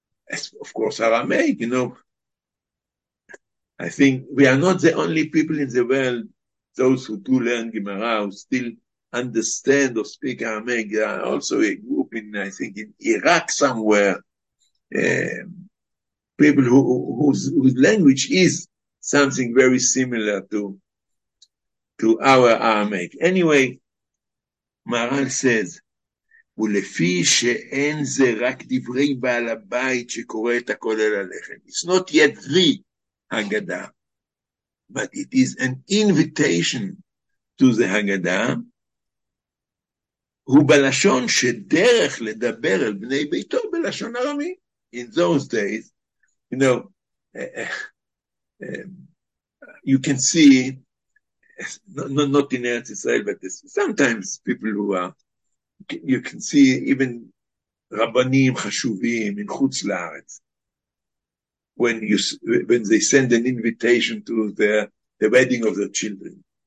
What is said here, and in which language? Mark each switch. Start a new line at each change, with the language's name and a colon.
English: As of course, Aramaic, you know. I think we are not the only people in the world, those who do learn Gemara, who still understand or speak Aramaic. There are also a group in Iraq somewhere, people whose language is something very similar to our Aramaic. Anyway, Maharal says,
Hebrew: ולפי שאין זה רק דברי בעל הבית שקורא את הכל אל הלחם.
English: It's not yet the Haggadah, but it is an invitation to the Haggadah.
Hebrew: הוא בלשון שדרך לדבר אל בני ביתו בלשון ארמי.
English: In those days, you know, you can see, not in Eretz Israel, but sometimes people who are, you can see even Rabbanim Chashuvim in Chutz La'aretz, when they send an invitation to the wedding of their children.